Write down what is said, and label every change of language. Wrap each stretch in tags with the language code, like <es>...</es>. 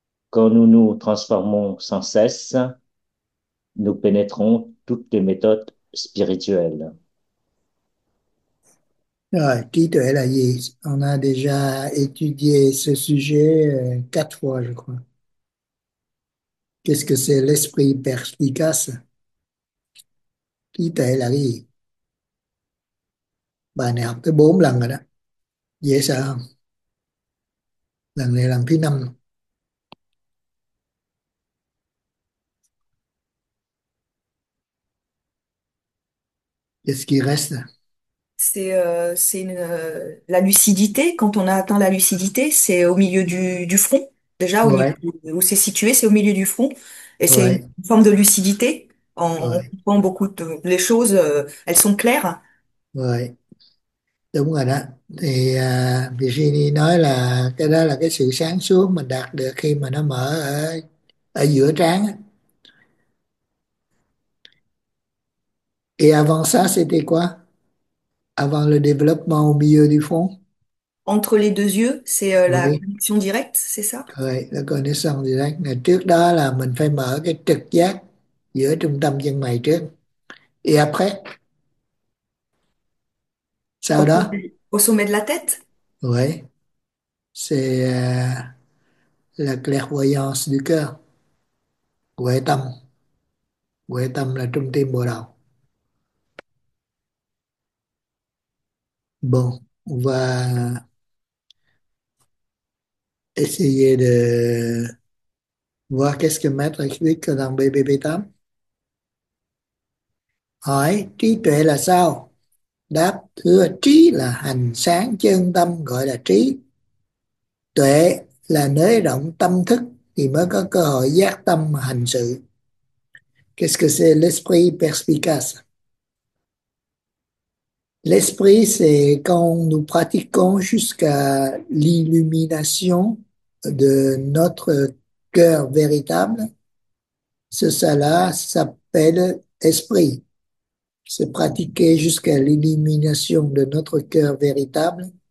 <fr>Quand nous nous transformons sans cesse, nous pénétrons toutes les méthodes spirituelles.</fr> <vi>Rồi, trí tuệ là gì?</vi> <fr>On a déjà étudié ce sujet 4 fois, je crois. Qu'est-ce que c'est l'esprit perspicace?</fr> <vi>Trí tuệ là cái gì? Bài này học tới 4 lần rồi đó. Dễ sợ không? Lần này lần thứ năm.</vi> <fr>Qu'est-ce qui C'est la lucidité, quand on a atteint la lucidité, c'est au milieu du front. Déjà, au Ouais. milieu où c'est situé, c'est au milieu du front. Et c'est une Ouais. forme de lucidité. En Ouais. comprenant beaucoup de les choses, elles sont claires. Ouais.</fr> <vi>Đúng rồi đó. Thì vị Gini nói là cái đó là cái sự sáng suốt mình đạt được khi mà nó mở ở giữa trán.</vi> <fr>Et avant ça, c'était quoi? Avant le développement au milieu du front? Entre les deux yeux, c'est la Oui. connexion directe, c'est ça? Oui,</fr> <vi>là con đi xong thì đấy. Ngày trước đó là mình phải mở cái trực giác giữa trung tâm chân mày trước.</vi> <fr>Et après?</fr> <vi>Sau đó?</vi> <fr>Au sommet de la tête. Oui. C'est la clairvoyance du cœur.</fr> <vi>Huệ tâm. Huệ tâm là trung tâm bộ đầu.</vi> <fr>Bon, on va essayer de voir qu'est-ce que Maître explique dans BBB8.</fr> <vi>Hỏi trí tuệ là sao? Đáp, thưa trí là hành sáng chân tâm gọi là trí. Tuệ là nới rộng tâm thức thì mới có cơ hội giác tâm mà hành sự.</vi> <fr>Qu'est-ce que c'est l'esprit perspicace? L'esprit, c'est quand nous pratiquons jusqu'à l'illumination de notre cœur véritable. Cela s'appelle esprit. C'est pratiquer jusqu'à l'illumination de notre cœur véritable.</fr>